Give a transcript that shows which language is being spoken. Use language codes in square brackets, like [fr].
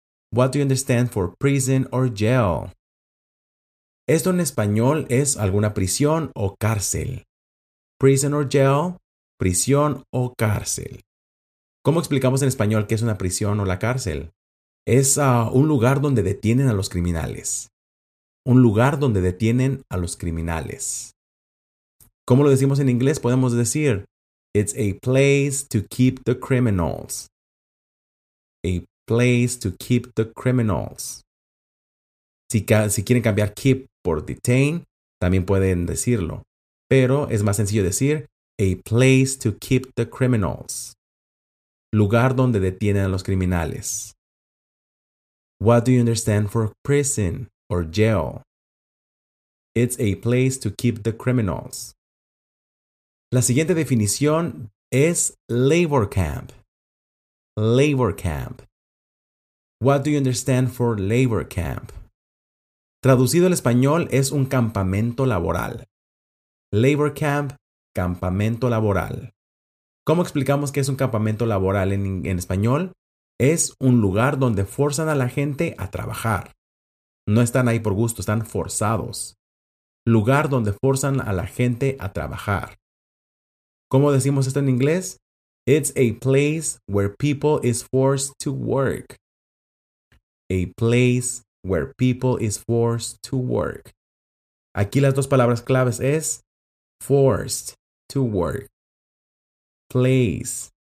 [en] What do you understand for prison or jail? [es] Esto en español es alguna prisión o cárcel. [en] Prison or jail, [es] prisión o cárcel. ¿Cómo explicamos en español qué es una prisión o la cárcel? Es un lugar donde detienen a los criminales. Un lugar donde detienen a los criminales. ¿Cómo lo decimos en inglés? Podemos decir, [en] it's a place to keep the criminals. A place to keep the criminals. [es] Si quieren cambiar keep por detain, también pueden decirlo. Pero es más sencillo decir, [en] a place to keep the criminals. [es] Lugar donde detienen a los criminales. [en] What do you understand for prison or jail? It's a place to keep the criminals. [es] La siguiente definición es [en] labor camp. Labor camp. What do you understand for labor camp? [es] Traducido al español es un campamento laboral. Labor camp, campamento laboral. ¿Cómo explicamos qué es un campamento laboral en español? Es un lugar donde forzan a la gente a trabajar. No están ahí por gusto, están forzados. Lugar donde forzan a la gente a trabajar. ¿Cómo decimos esto en inglés? [en] It's a place where people is forced to work. A place where people is forced to work. [es] Aquí las dos palabras claves es forced to work. Place.